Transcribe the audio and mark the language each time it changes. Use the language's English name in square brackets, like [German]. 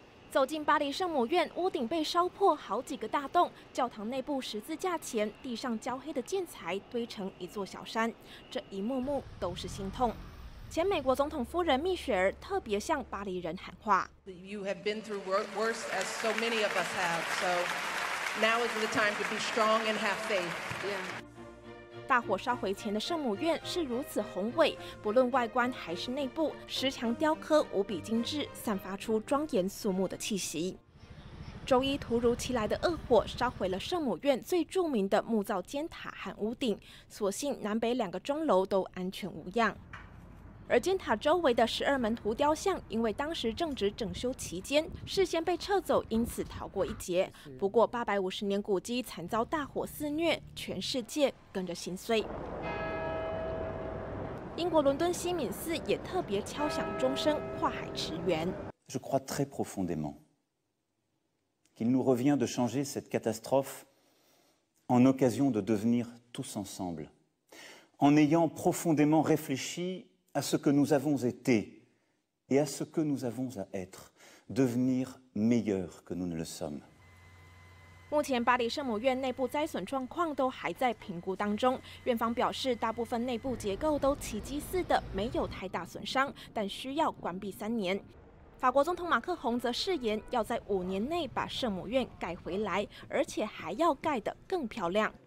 [Chinese] 走进巴黎圣母院，屋顶被烧破好几个大洞，教堂内部十字架前地上焦黑的建材堆成一座小山，这一幕幕都是心痛。前美国总统夫人蜜雪儿特别向巴黎人喊话 [English] You have been through worse as so many of us have, so now is the time to be strong and have faith. [Chinese] 大火烧毁前的圣母院是如此宏伟，不论外观还是内部，石墙雕刻无比精致，散发出庄严肃穆的气息。周一突如其来的恶火烧毁了圣母院最著名的木造尖塔和屋顶，所幸南北两个钟楼都安全无恙。而尖塔周围的12门徒雕像，因为当时正值整修期间，事先被撤走，因此逃过一劫。不过，850年古迹惨遭大火肆虐，全世界跟着心碎。英国伦敦西敏寺也特别敲响钟声，跨海驰援。 [French] Je crois très profondément qu'il nous revient de changer cette catastrophe en occasion de devenir tous ensemble, en ayant profondément réfléchi. À ce que nous avons été et à ce que nous avons à être, devenir meilleurs que nous ne le sommes. [Chinese] 目前巴黎圣母院内部灾损状况都还在评估当中，院方表示大部分内部结构都奇迹似的，没有太大损伤，但需要关闭三年。法国总统马克宏则誓言要在五年内把圣母院盖回来，而且还要盖得更漂亮。